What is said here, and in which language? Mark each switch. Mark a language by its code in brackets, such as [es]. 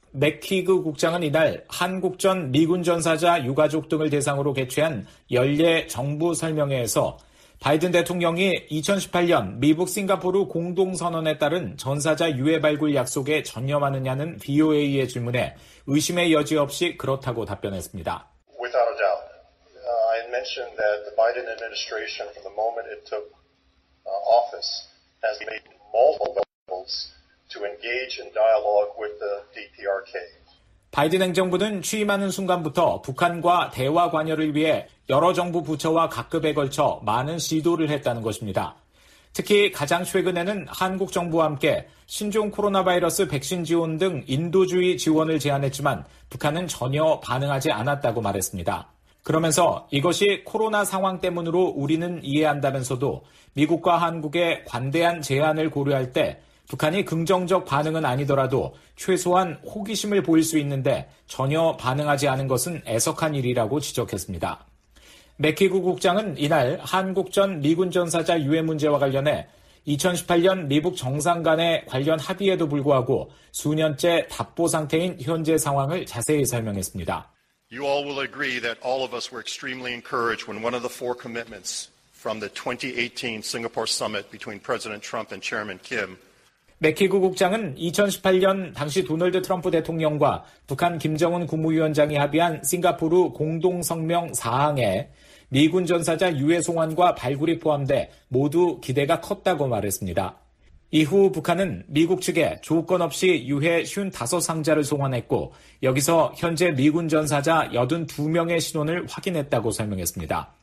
[ko] 맥키그 국장은 이날 한국전 미군 전사자 유가족 등을 대상으로 개최한 연례 정부 설명회에서 바이든 대통령이 2018년 미국 싱가포르 공동선언에 따른 전사자 유해 발굴 약속에 전념하느냐는 VOA의 질문에 의심의 여지 없이 그렇다고 답변했습니다. [en] Without a doubt, I mentioned that the Biden administration, from the moment it took office, has made multiple levels to engage in dialogue with the DPRK. [ko] 바이든 행정부는 취임하는 순간부터 북한과 대화 관여를 위해 여러 정부 부처와 각급에 걸쳐 많은 시도를 했다는 것입니다. 특히 가장 최근에는 한국 정부와 함께 신종 코로나 바이러스 백신 지원 등 인도주의 지원을 제안했지만 북한은 전혀 반응하지 않았다고 말했습니다. 그러면서 이것이 코로나 상황 때문으로 우리는 이해한다면서도 미국과 한국의 관대한 제안을 고려할 때 북한이 긍정적 반응은 아니더라도 최소한 호기심을 보일 수 있는데 전혀 반응하지 않은 것은 애석한 일이라고 지적했습니다. 맥키그 국장은 이날 한국전 미군 전사자 유해 문제와 관련해 2018년 미국 정상 간의 관련 합의에도 불구하고 수년째 답보 상태인 현재 상황을 자세히 설명했습니다. [en] You all will agree that all of us were extremely encouraged when one of the four commitments from the 2018 Singapore summit between President Trump and Chairman Kim [ko] 맥키그 국장은 2018년 당시 도널드 트럼프 대통령과 북한 김정은 국무위원장이 합의한 싱가포르 공동성명 4항에 미군 전사자 유해 송환과 발굴이 포함돼 모두 기대가 컸다고 말했습니다. 이후 북한은 미국 측에 조건 없이 유해 55상자를 송환했고 여기서 현재 미군 전사자 82명의 신원을 확인했다고 설명했습니다.